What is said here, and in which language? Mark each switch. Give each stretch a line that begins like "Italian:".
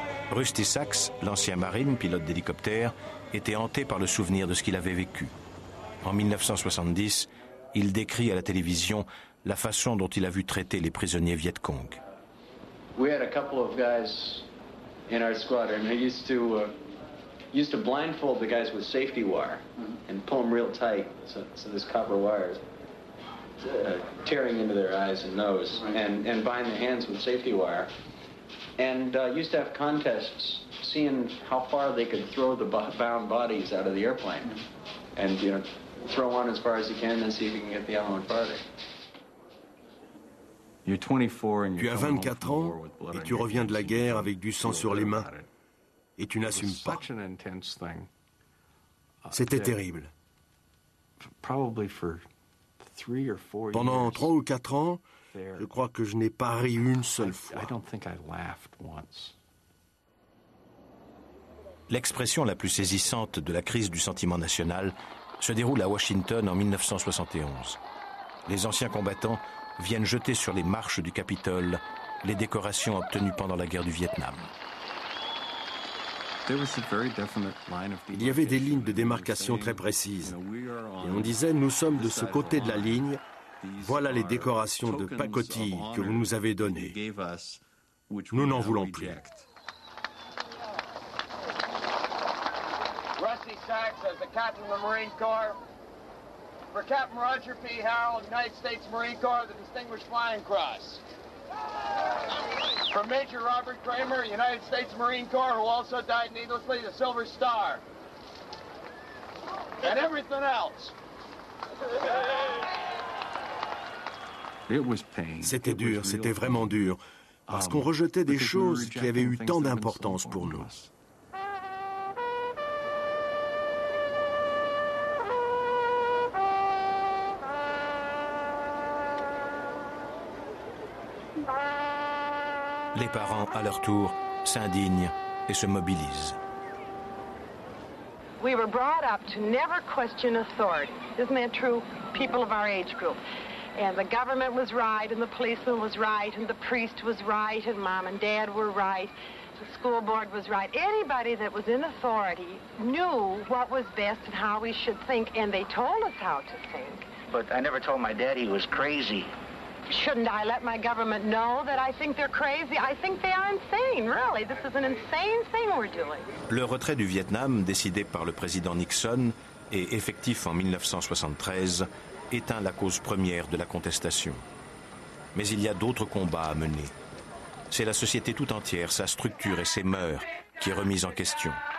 French: Rusty Sachs, l'ancien marine, pilote d'hélicoptère, était hanté par le souvenir de ce qu'il avait vécu. En 1970, il décrit à la télévision la façon dont il a vu traiter les prisonniers Viet Cong.
English: We had a couple of guys in our squadron. They used to used to blindfold the guys with safety wire and pull them real tight, so this copper wire is tearing into their eyes and nose, and bind their hands with safety wire. And used to have contests seeing how far they could throw the bound bodies out of the airplane. And, you know, throw one as far as you can and see if you can get the other one farther.
French: Tu as 24 ans et tu reviens de la guerre avec du sang sur les mains et tu n'assumes pas. C'était terrible. Pendant 3 ou 4 ans, je crois que je n'ai pas ri une seule fois. L'expression la plus saisissante de la crise du sentiment national se déroule à Washington en 1971. Les anciens combattants viennent jeter sur les marches du Capitole les décorations obtenues pendant la guerre du Vietnam. Il y avait des lignes de démarcation très précises. Et on disait, nous sommes de ce côté de la ligne, voilà les décorations de pacotille que vous nous avez données. Nous n'en voulons plus.
English: Rusty Sachs as the captain of the Marine Corps. For Captain Roger P. Harrell, United States Marine Corps, the Distinguished Flying Cross. For Major Robert Kramer, United States Marine Corps, who also died needlessly, the Silver Star. And everything else. It was pain.
French: C'était dur, c'était vraiment dur, parce qu'on rejetait des choses qui avaient eu tant d'importance pour nous. Les parents, à leur tour, s'indignent et se mobilisent.
English: We were brought up to never question authority. Isn't that true, people of our age group? And the government was right, and the policeman was right, and the priest was right, and mom and dad were right, the school board was right. Anybody that was in authority knew what was best and how we should think, and they told us how to think. But I never told my dad he was crazy. Shouldn't I let my government know that I think they're crazy? I think they are insane, really. This is an insane thing we're doing.
French: Le retrait du Vietnam, décidé par le président Nixon et effectif en 1973, éteint la cause première de la contestation. Mais il y a d'autres combats à mener. C'est la société tout entière, sa structure et ses mœurs qui est remise en question.